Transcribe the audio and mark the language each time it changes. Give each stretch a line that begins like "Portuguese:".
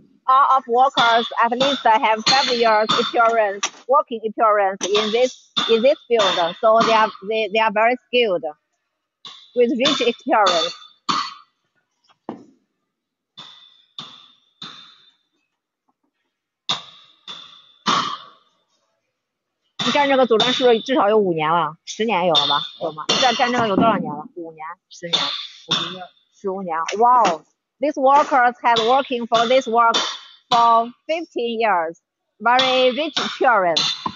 English: All of workers at least have 5 years working experience in this field, so they are very skilled with rich experience.
Chinese: You 干这个组装是不是至少有五年了？十年有了吧？有吗？你在干这个有多少年了？五年？十年？15年？哇哦！
English: These workers have working for this work for 15 years. Very rich experience.